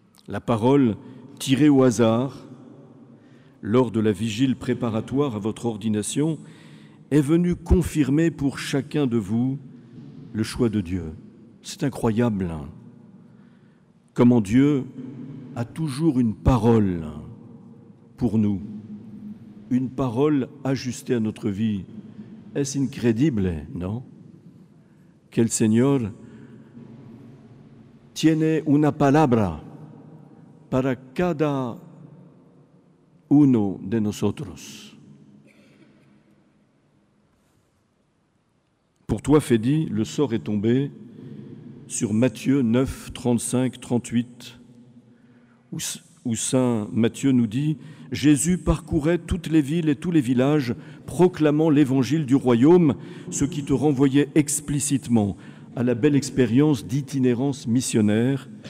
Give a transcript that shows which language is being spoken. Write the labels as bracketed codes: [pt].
[fr] la parole tirée au hasard lors de la vigile préparatoire à votre ordination est venue confirmer pour chacun de vous le choix de Dieu. C'est incroyable comment Dieu a toujours une parole pour nous, une parole ajustée à notre vie. Est-ce incroyable, non? Que le Seigneur [es] tiene una palabra para cada uno de nosotros. [fr] Pour toi, Fédi, le sort est tombé sur Matthieu 9, 35, 38, où Saint Matthieu nous dit « Jésus parcourait toutes les villes et tous les villages, proclamant l'évangile du royaume, ce qui te renvoyait explicitement à la belle expérience d'itinérance missionnaire